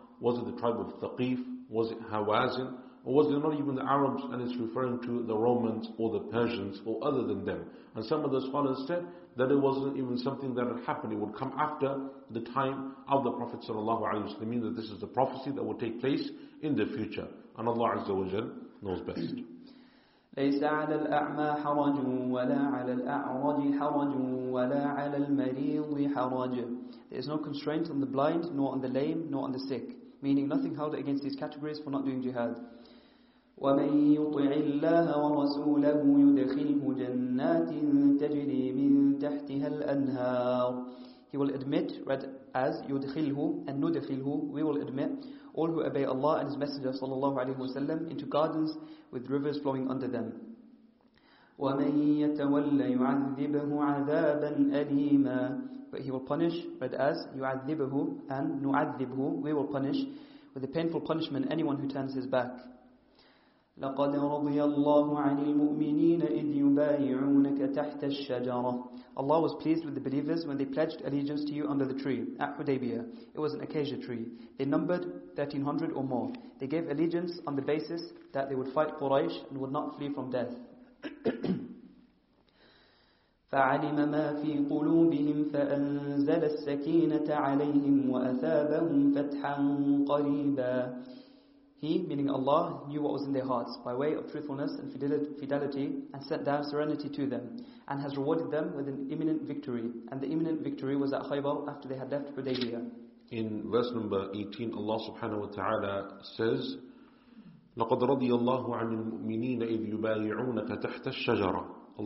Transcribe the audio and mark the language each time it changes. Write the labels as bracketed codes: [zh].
[en] Was it the tribe of Thaqif? Was it Hawazin? Or was it not even the Arabs, and it's referring to the Romans or the Persians or other than them? And some of the scholars said that it wasn't even something that had happened. It would come after the time of the Prophet sallallahu alaihi wasallam, meaning that this is the prophecy that will take place in the future. And Allah Azza wa Jal knows best. [ar] ليس على الأعمى حرج ولا على الأعرج حرج ولا على المريض حرج. [en] There is no constraint on the blind, nor on the lame, nor on the sick, meaning nothing held against these categories for not doing jihad. [ar] ومن يطع الله ورسوله يدخله جنات تجري من تحتها الأنهار. [en] He will admit, read as يدخله and ندخله, we will admit all who obey Allah and His Messenger sallallahu alaihi wasallam into gardens with rivers flowing under them. [ar] وَمَن يَتَوَلَّ يُعَذِّبَهُ عَذَابًا أَلِيمًا. [en] But He will punish, read as يُعَذِّبَهُ and نُعَذِّبُهُ, we will punish with a painful punishment anyone who turns his back. [ar] لقد رضي الله عن المؤمنين إذ يبايعونك تحت الشجرة. [en] Allah was pleased with the believers when they pledged allegiance to you under the tree at Hudaybiyah. It was an acacia tree. They numbered 1300 or more. They gave allegiance on the basis that they would fight Quraysh and would not flee from death. [ar] فعلم ما في قلوبهم فأنزل السكينة عليهم وأثابهم فتحا قريبا. [en] He, meaning Allah, knew what was in their hearts by way of truthfulness and fidelity and sent down serenity to them and has rewarded them with an imminent victory. And the imminent victory was at Khaybar after they had left Hudaybiyah. In verse number 18, Allah subhanahu wa ta'ala says, [ar] لَقَدْ رَضِيَ اللَّهُ عَنِ الْمُؤْمِنِينَ إِذْ يُبَايِعُونَكَ تَحْتَ الشَّجَرَةِ.